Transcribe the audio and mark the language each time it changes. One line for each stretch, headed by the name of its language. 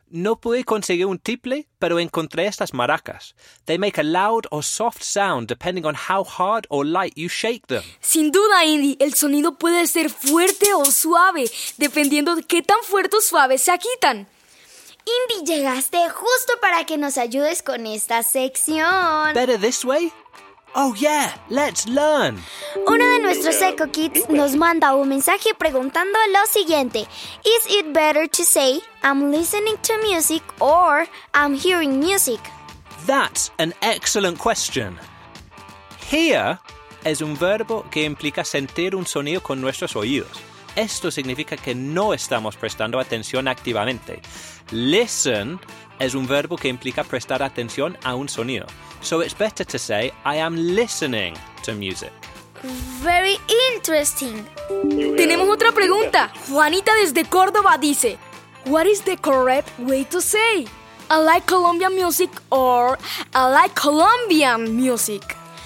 Spanish: No pude conseguir un tiple, pero encontré estas maracas.
English: They make a loud or soft sound depending on how hard or light you shake them.
Spanish: Sin duda, Indy, el sonido puede ser fuerte o suave, dependiendo de qué tan fuerte o suave se agitan. Indy, llegaste justo para que nos ayudes con esta sección.
English: ¿Better this way? Oh yeah, let's learn.
Spanish: Uno de nuestros Echo Kids nos manda un mensaje preguntando lo siguiente:
English: Is it better to say I'm listening to music or I'm hearing music? That's an excellent question.
Spanish: Hear es un verbo que implica sentir un sonido con nuestros oídos. Esto significa que no estamos prestando atención activamente. Listen es un verbo que implica prestar atención a un sonido.
English: So it's better to say, I am listening to music. Very interesting.
Spanish: Tenemos otra pregunta. Juanita desde Córdoba dice,
English: What is the correct way to say, I like Colombian music or I like Colombian music?